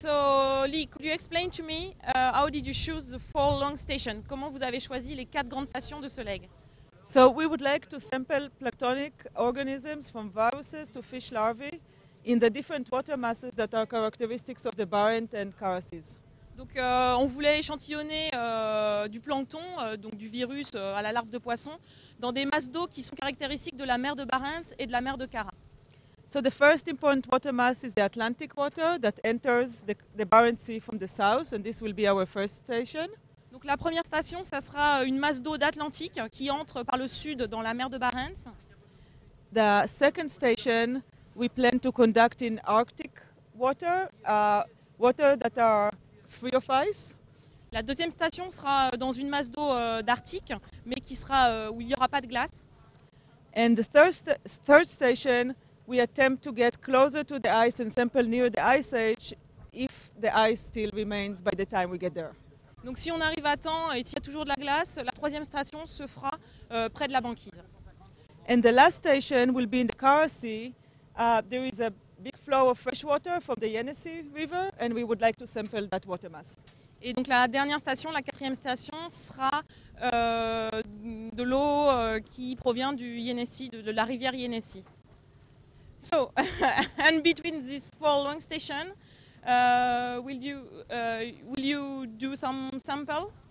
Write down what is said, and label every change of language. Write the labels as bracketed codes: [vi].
[en] Lee, could you explain to me how did you choose the four long stations? [fr] Comment vous avez choisi les quatre grandes stations de ce leg? [en] So we would like to sample planktonic organisms from viruses to fish larvae in the different water masses that are characteristics of the Barents and Karasis. [fr] Donc on voulait échantillonner du plancton, donc du virus à la larve de poisson, dans des masses d'eau qui sont caractéristiques de la mer de Barents et de la mer de Kara. [en] So the first important water mass is the Atlantic water that enters the Barents Sea from the south, and this will be our first station. [fr] Donc la première station, ça sera une masse d'eau d'Atlantique qui entre par le sud dans la mer de Barents. [en] The second station we plan to conduct in Arctic water, water that are free of ice. [fr] La deuxième station sera dans une masse d'eau d'Arctique, mais qui sera où il n'y aura pas de glace. [en] And the third station, we attempt to get closer to the ice and sample near the ice age if the ice still remains by the time we get there. [fr] Donc si on arrive à temps et s'il y a toujours de la glace, la troisième station se fera près de la banquise. [en] And the last station will be in the Kara Sea. There is a big flow of fresh water from the Yenisei River and we would like to sample that water mass. [fr] Et donc la dernière station, la quatrième station, sera de l'eau qui provient du Yenisei, de la rivière Yenisei. [en] So, and between these four long stations, will you do some sample?